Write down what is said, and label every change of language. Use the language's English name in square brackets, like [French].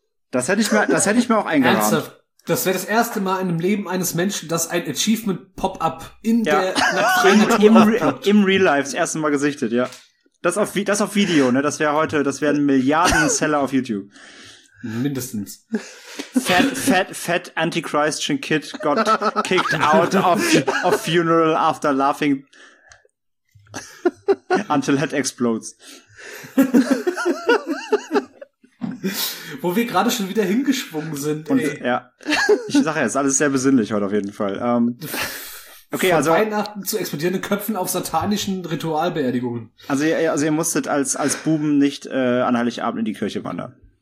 [German] Das hätte ich mir auch eingerahmt. Ernsthaft? Das wäre das erste Mal in dem Leben eines Menschen, dass ein Achievement Pop-up im Real Life das erste Mal gesichtet, ja. Das auf Video, ne? Das wäre heute, das wären Milliarden Seller auf YouTube. Mindestens. [English] Fat anti-Christian kid got kicked out of funeral after laughing until head explodes. [German] Wo wir gerade schon wieder hingeschwungen sind. Und, ja. Ich sage ja, ist alles sehr besinnlich heute auf jeden Fall. Okay, von Weihnachten zu explodierenden Köpfen auf satanischen Ritualbeerdigungen. Also ihr musstet als Buben nicht an Heiligabend in die Kirche wandern.